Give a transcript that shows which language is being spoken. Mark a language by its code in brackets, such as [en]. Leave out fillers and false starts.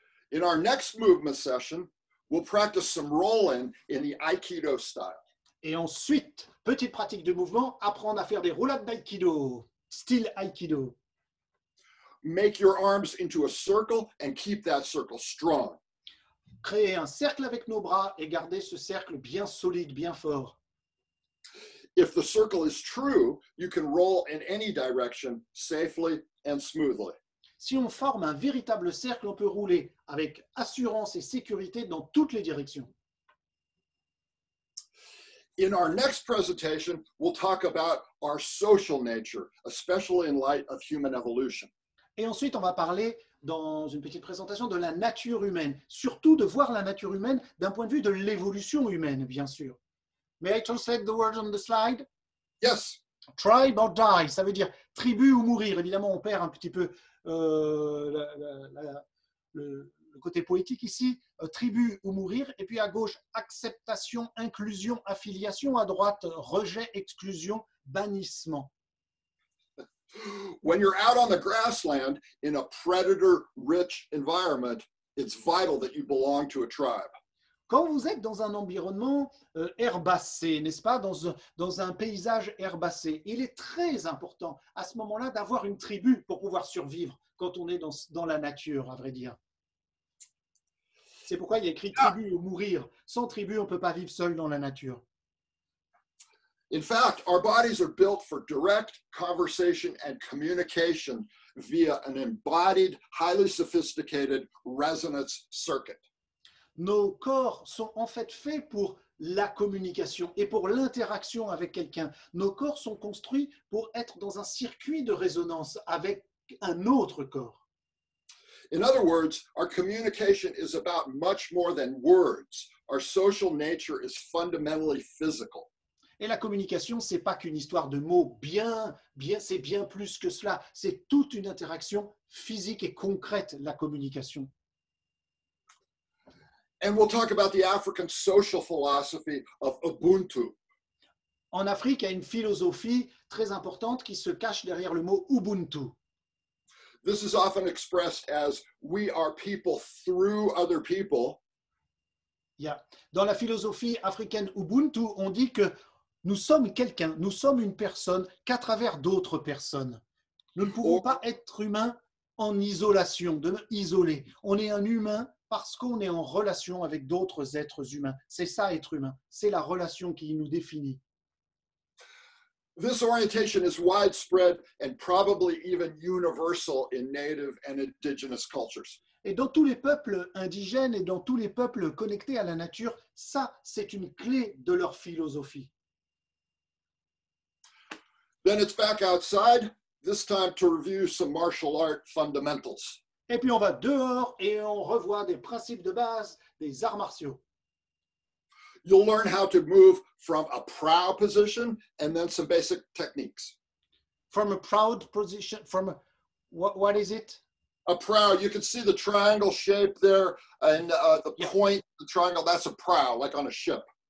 [en] In our next movement session, we'll practice some roll-in in the Aikido style. [fr] Et ensuite, petite pratique de mouvement, apprendre à faire des roulades d'Aikido, style Aikido. [en] Make your arms into a circle and keep that circle strong. [fr] Créer un cercle avec nos bras et garder ce cercle bien solide, bien fort. [en] If the circle is true, you can roll in any direction safely and smoothly. [fr] Si on forme un véritable cercle, on peut rouler avec assurance et sécurité dans toutes les directions. [en] In our next presentation, we'll talk about our social nature, especially in light of human evolution. [fr] Et ensuite, on va parler dans une petite présentation de la nature humaine, surtout de voir la nature humaine d'un point de vue de l'évolution humaine, bien sûr. [en] May I translate the words on the slide? Yes. Tribe or die, [fr] ça veut dire tribu ou mourir. Évidemment, on perd un petit peu le côté poétique ici. Tribu ou mourir. Et puis à gauche, acceptation, inclusion, affiliation. À droite, rejet, exclusion, bannissement. [en] When you're out on the grassland in a predator-rich environment, it's vital that you belong to a tribe. [fr] Quand vous êtes dans un environnement herbacé, n'est-ce pas, dans un paysage herbacé, il est très important à ce moment-là d'avoir une tribu pour pouvoir survivre quand on est dans la nature, à vrai dire. C'est pourquoi il y a écrit tribu ou mourir. Sans tribu, on ne peut pas vivre seul dans la nature. [en] In fact, our bodies are built for direct conversation and communication via an embodied, highly sophisticated resonance circuit. [fr] Nos corps sont en fait faits pour la communication et pour l'interaction avec quelqu'un. Nos corps sont construits pour être dans un circuit de résonance avec un autre corps. [en] In other words, our communication is about much more than words. Our social nature is fundamentally physical. [fr] Et la communication, ce n'est pas qu'une histoire de mots. Bien, c'est bien plus que cela. C'est toute une interaction physique et concrète, la communication. [en] And we'll talk about the African social philosophy of Ubuntu. [fr] En Afrique, il y a une philosophie très importante qui se cache derrière le mot Ubuntu. [en] This is often expressed as we are people through other people. Yeah. [fr] Dans la philosophie africaine Ubuntu, on dit que nous sommes quelqu'un, nous sommes une personne qu'à travers d'autres personnes. Nous ne pouvons pas être humains en isolation, de nous isoler. On est un humain parce qu'on est en relation avec d'autres êtres humains. C'est ça, être humain. C'est la relation qui nous définit. [en] This orientation is widespread and probably even universal in native and indigenous cultures. [fr] Et dans tous les peuples indigènes et dans tous les peuples connectés à la nature, ça, c'est une clé de leur philosophie. [en] Then it's back outside, this time to review some martial art fundamentals. [fr] Et puis on va dehors et on revoit des principes de base des arts martiaux. [en] You'll learn how to move from a proud position and then some basic techniques. From a proud position, from what is it? A proud, you can see the triangle shape there and point, the triangle, that's a prow, like on a ship.